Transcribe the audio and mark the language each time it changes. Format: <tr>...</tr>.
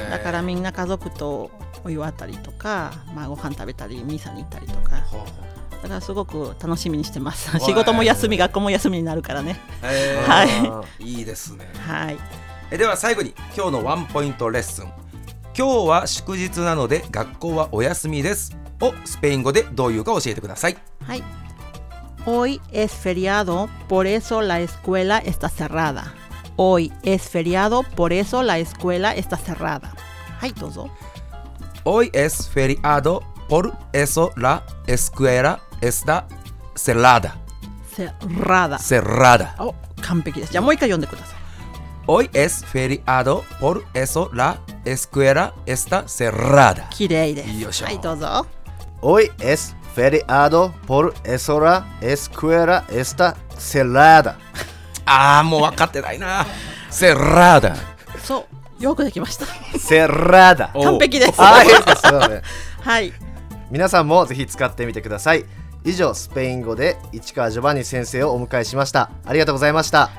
<ja>だからみんな家族とお祝ったりとか、まあ、ご飯食べたりミサに行ったりとか、だからすごく楽しみにしてます。仕事も休み、学校も休みになるからね。はい、いいですね。はい、では最後に今日のワンポイントレッスン、今日は祝日なので学校はお休みですをスペイン語でどういうか教えてください。</ja> <es>はい、 Hoy es feriado, por eso la escuela está cerrada. Hoy es feriado, por eso la escuela está cerrada.</es> <ja>はい、どうぞ。</ja> <es>Hoy es feriado, por eso la escuela está cerrada. Cerrada. Cerrada.</es> <ja>Oh, 完璧です。じゃあもう一回読んでください。</ja> <es>Hoy es feriado, por eso la escuela está cerrada.</es> <ja>きれいです。よいしょ。はい、どうぞ。</ja> <es>Hoy es feriado, por eso la escuela está cerrada.</es> <ja>あー、もう分かってないな。</ja> <es>cerrada。</es> <ja>そう、よくできました。</ja> <es>cerrada。</es> <ja>完璧です。あー、いいですね。はい。皆さんもぜひ使ってみてください。以上、スペイン語で市川ジョバニ先生をお迎えしました。ありがとうございました。</ja>